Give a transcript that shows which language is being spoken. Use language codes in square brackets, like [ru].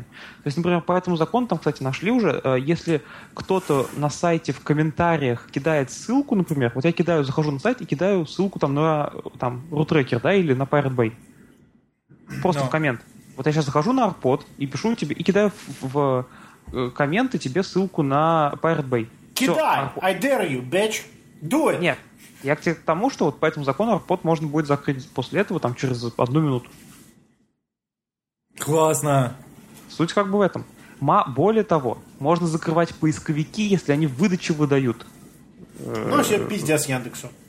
[ru] То есть, например, по этому закону, там, кстати, нашли уже, если кто-то на сайте в комментариях кидает ссылку, например, вот я кидаю, захожу на сайт и кидаю ссылку там на там, Рутрекер, да, или на Pirate Bay. Просто в коммент. Вот я сейчас захожу на ArtPod и пишу тебе, и кидаю в комменты тебе ссылку на Pirate Bay. Кидай! [en] I dare you, bitch! Do it! [ru] Нет. Я к тебе к тому, что вот по этому закону ArtPod можно будет закрыть после этого, там, через одну минуту. Классно! Суть как бы в этом. Более того, можно закрывать поисковики, если они в выдаче выдают. Ну, все пиздец Яндексу.